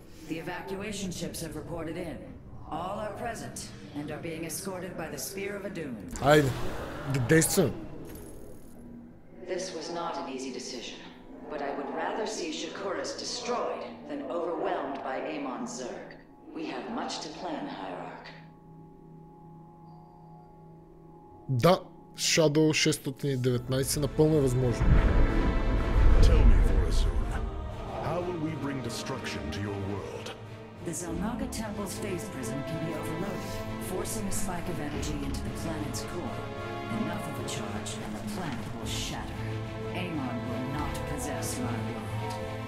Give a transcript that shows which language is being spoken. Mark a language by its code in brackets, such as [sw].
[en] The evacuation ships have reported in. All are present and are being escorted by the Spear of Adun. [bg] Айде, да действам. [en] This was not an easy decision, but I would rather see Shakuras destroyed than overwhelmed by Amon Zerg. We have much to plan, Hierarch. [bg] Да, Shadow 619, напълно е възможно. [en] Tell me, Vorazun, how will we bring destruction to your world? The Zelnaga Temple's phase prism can be overloaded, forcing a spike of energy into the planet's core. Enough of a charge, and the planet will shatter. Amon will not possess my world.